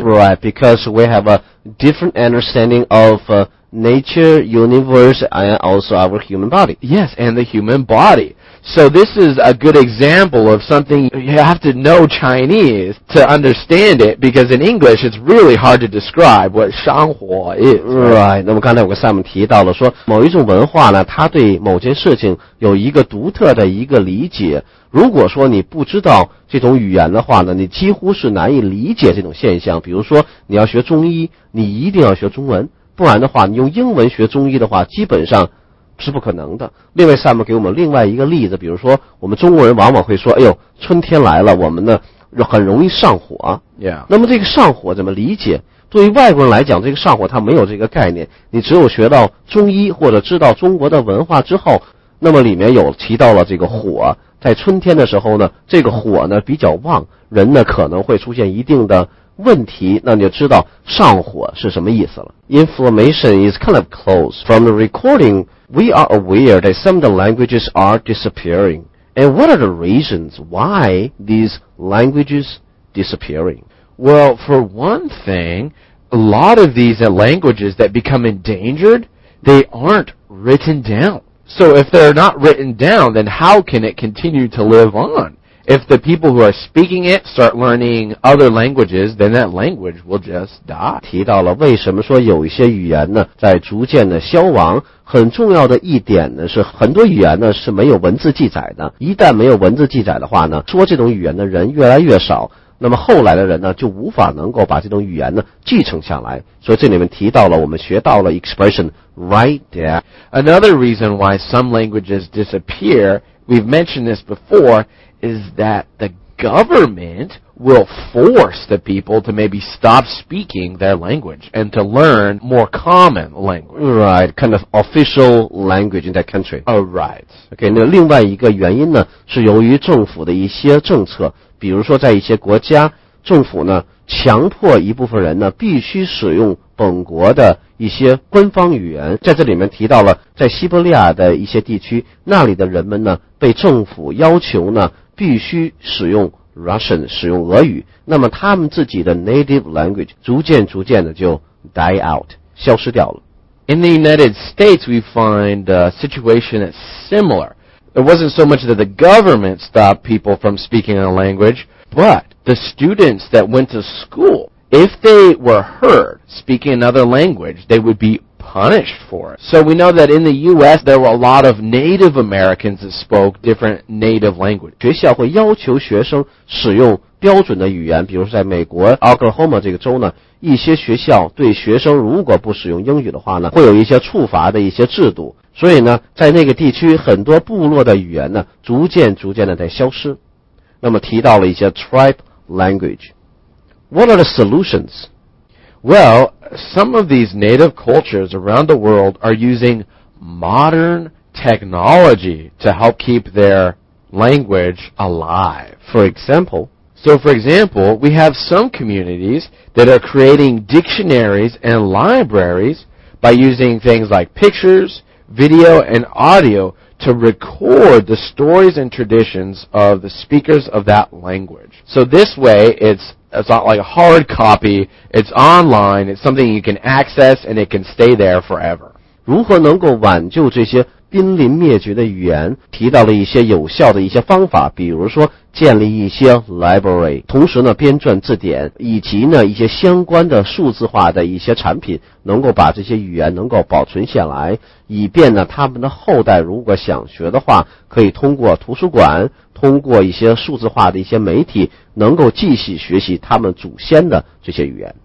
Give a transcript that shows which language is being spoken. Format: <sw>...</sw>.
<en>Right, because we have a different understanding of nature, universe, and also our human body. Yes, and the human body. So this is a good example of something you have to know Chinese to understand it, because in English it's really hard to describe what Shanghuo is.</en> <zh>Right, 那么刚才我跟Sam提到了说某一种文化呢，它对某件事情有一个独特的一个理解。如果说你不知道这种语言的话呢，你几乎是难以理解这种现象。比如说你要学中医，你一定要学中文，不然的话你用英文学中医的话基本上是不可能的。另外 Sam 给我们另外一个例子，比如说我们中国人往往会说，哎呦，春天来了，我们呢很容易上火。那么这个上火怎么理解？对于外国人来讲，这个上火他没有这个概念。你只有学到中医或者知道中国的文化之后，那么里面有提到了这个火，在春天的时候呢，这个火呢比较旺，人呢可能会出现一定的问题，那你就知道上火是什么意思了。</zh> <en>Inflammation is kind of close. From the recording, we are aware that some of the languages are disappearing. And what are the reasons why these languages disappearing? Well, for one thing, a lot of these languages that become endangered, they aren't written down. So if they're not written down, then how can it continue to live on? If the people who are speaking it start learning other languages, then that language will just die.</en> <zh>提到了为什么说有一些语言呢在逐渐的消亡，很重要的一点呢是很多语言呢是没有文字记载的。一旦没有文字记载的话呢，说这种语言的人越来越少，那么后来的人呢就无法能够把这种语言呢继承下来。所以这里面提到了我们学到了</zh> <en>expression right there. Another reason why some languages disappear, we've mentioned this before,is that the government will force the people to maybe stop speaking their language and to learn more common language. Right, kind of official language in that country. Oh, right.</en> <zh>Okay, 那另外一个原因呢，是由于政府的一些政策，比如说在一些国家，政府呢，强迫一部分人呢，必须使用本国的一些官方语言。在这里面提到了在西伯利亚的一些地区，那里的人们呢被政府要求呢必须使用 Russian， 使用俄语，那么他们自己的 native language 逐渐逐渐的就 die out， 消失掉了。</zh> <en>In the United States we find a situation that's similar. It wasn't so much that the government stopped people from speaking a language, but the students that went to schoolIf they were heard speaking another language, they would be punished for it. So we know that in the U.S., there were a lot of Native Americans that spoke different native languages.</en> <zh>学校会要求学生使用标准的语言，比如说在美国 Oklahoma 这个州呢，一些学校对学生如果不使用英语的话呢，会有一些处罚的一些制度。所以呢，在那个地区，很多部落的语言呢，逐渐逐渐的在消失。那么提到了一些</zh> <en>tribe language. What are the solutions? Well, some of these native cultures around the world are using modern technology to help keep their language alive. For example, we have some communities that are creating dictionaries and libraries by using things like pictures, video, and audio to record the stories and traditions of the speakers of that language. So this way, it's it's not like a hard copy, it's online, it's something you can access and it can stay there forever.</en> <zh>如何能够挽救这些濒临灭绝的语言，提到了一些有效的一些方法，比如说建立一些 library， 同时呢编撰字典，以及呢一些相关的数字化的一些产品，能够把这些语言能够保存下来，以便呢他们的后代如果想学的话，可以通过图书馆，通过一些数字化的一些媒体，能够继续学习他们祖先的这些语言。</zh>